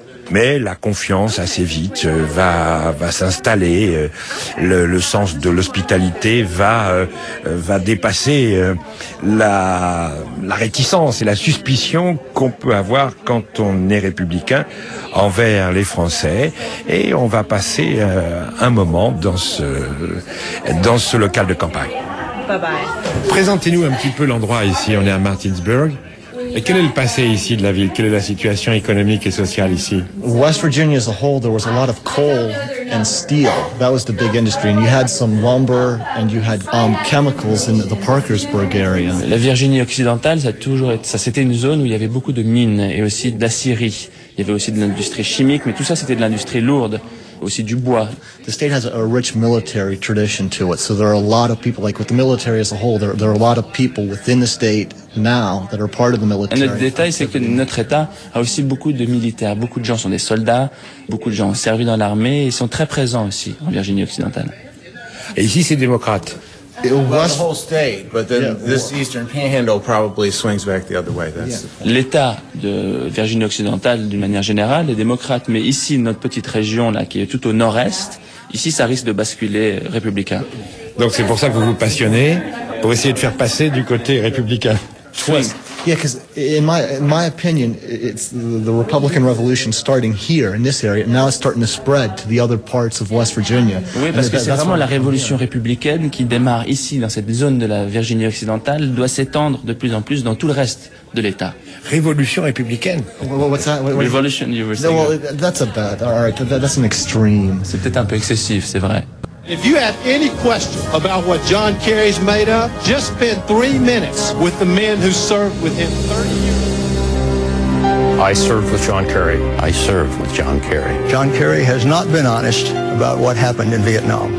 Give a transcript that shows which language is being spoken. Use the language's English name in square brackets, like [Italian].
[French] Mais la confiance assez vite va s'installer, le sens de l'hospitalité va dépasser la réticence et la suspicion qu'on peut avoir quand on est républicain envers les Français, et on va passer un moment dans ce local de campagne. [English] Bye bye. [French] Présentez-nous un petit peu l'endroit ici. On est à Martinsburg. Et quel est le passé ici de la ville? Quelle est la situation économique et sociale ici? [English] West Virginia as a whole, there was a lot of coal and steel. That was the big industry. And you had some lumber and you had chemicals in the Parkersburg area. [French] La Virginie occidentale, c'était une zone où il y avait beaucoup de mines et aussi d'acierie. Il y avait aussi de l'industrie chimique, mais tout ça, c'était de l'industrie lourde. Aussi du bois. [English] The state has a rich military tradition to it. So there are a lot of people, like with the military as a whole, there are a lot of people within the state now that are part of the military. [French] Et notre détail, c'est que notre État a aussi beaucoup de militaires. Beaucoup de gens sont des soldats, beaucoup de gens ont servi dans l'armée et sont très présents aussi en Virginie occidentale. Et ici, c'est démocrate. L'État de Virginie occidentale, d'une manière générale, est démocrate, mais ici, notre petite région là, qui est tout au nord-est, ici, ça risque de basculer républicain. Donc c'est pour ça que vous vous passionnez, pour essayer de faire passer du côté républicain. [English] Swing. Yeah, because in my opinion, it's the Republican Revolution starting here in this area. Now it's starting to spread to the other parts of West Virginia. [French] Oui, parce que c'est vraiment la révolution républicaine qui démarre ici dans cette zone de la Virginie occidentale doit s'étendre de plus en plus dans tout le reste de l'État. Révolution républicaine. [English] What's that? Revolution. You were saying. No, well, that's a bad. All right, that's an extreme. [French] C'est peut-être un peu excessif, c'est vrai. [English] If you have any question about what John Kerry's made up, just spend 3 minutes with the men who served with him 30 years. I served with John Kerry. I served with John Kerry. John Kerry has not been honest about what happened in Vietnam.